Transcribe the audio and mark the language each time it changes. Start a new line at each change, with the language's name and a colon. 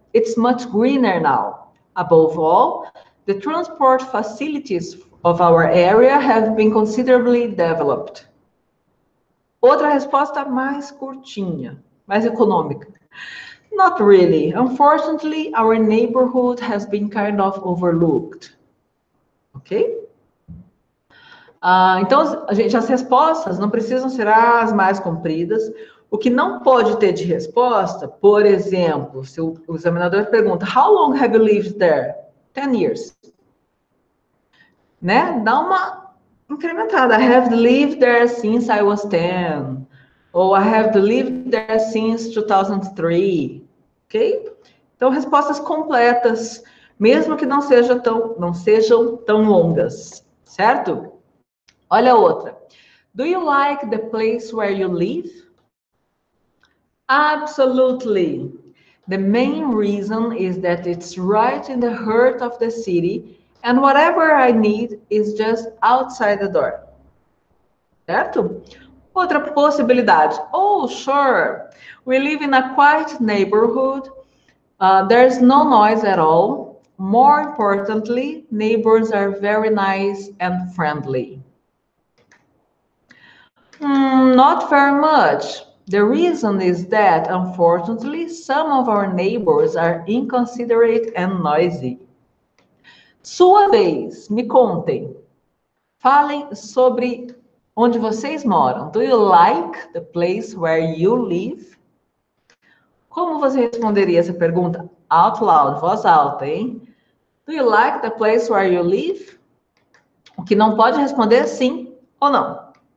English: It's much greener now. Above all, the transport facilities of our area have been considerably developed.
Portuguese: Outra resposta mais curtinha, mais econômica.
English: Not really. Unfortunately, our neighborhood has been kind of overlooked. Ok?
Portuguese: Então, gente, as respostas não precisam ser as mais compridas. O que não pode ter de resposta, por exemplo, se o examinador pergunta:
English: How long have you lived there? 10 years.
Portuguese: Né? Dá uma
English: Incrementada. I have lived there since I was 10.
Portuguese: Ou
English: I have lived there since 2003. Ok?
Portuguese: Então, respostas completas, mesmo que não sejam tão longas, certo? Olha outra.
English: Do you like the place where you live? Absolutely. The main reason is that it's right in the heart of the city and whatever I need is just outside the door.
Portuguese: Certo? Outra possibilidade.
English: Oh, sure. We live in a quiet neighborhood. There's no noise at all. More importantly, neighbors are very nice and friendly. Not very much. The reason is that, unfortunately, some of our neighbors are inconsiderate and noisy.
Portuguese: Sua vez, me contem. Falem sobre onde vocês moram.
English: Do you like the place where you live?
Portuguese: Como você responderia essa pergunta?
English: Out loud,
Portuguese: voz alta, hein?
English: Do you like the place where you live?
Portuguese: O que não pode responder é sim ou não.